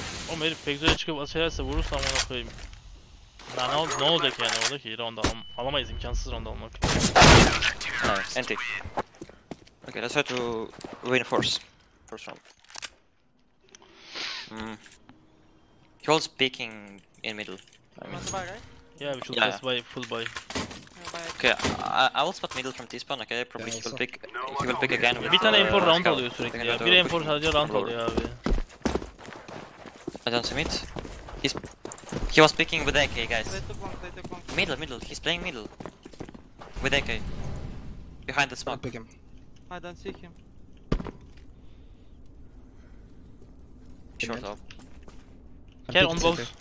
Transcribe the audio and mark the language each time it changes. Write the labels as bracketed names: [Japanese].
[Turkish] Oh, maybe Pixel çıkıp açarsa vurursam ona koyayım. Ya ne oldu, ne olacak yani, orada ki ronda alamayız, imkansız ronda almak. [English] Nice, anti. Okay, let's try to reinforce. First round. He holds peeking in middle. Yeah, we should pass by full buy. Okay, I will spot middle from this spawn, okay? Probably he will pick. He will pick again. [Turkish] Bir tane M4 round alıyor sürekli ya. Bir M4 sadece round alıyor abi. [English] I don't see mid. He was picking with AK, guys. Middle. He's playing middle. With AK. Behind the smoke. Don't pick him. I don't see him. Short up. Care on both.